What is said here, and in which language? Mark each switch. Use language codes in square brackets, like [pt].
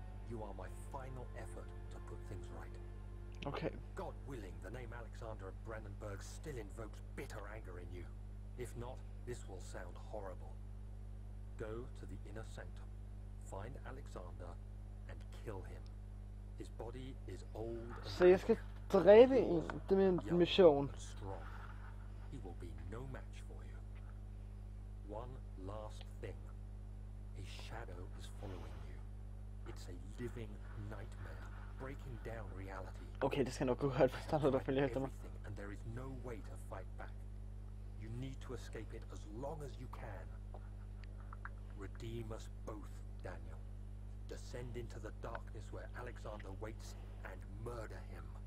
[en] You are my final effort to put things right. Okay. God willing, the name Alexander of Brandenburg still invokes bitter anger in you. If not, this will sound horrible. Go to the inner sanctum, find Alexander, and kill him. His body is old and sick. [da] Dræbe en, det er min mission. [en] He will be no match for you. One last thing. A shadow is following you. It's a living nightmare, breaking down reality. [da] Okay, det skal nok gå godt, hvis der er noget, der følger efter mig. [en] And there is no way to fight back. You need to escape it as long as you can. Redeem us both, Daniel. Descend into the darkness where Alexander waits and murder him.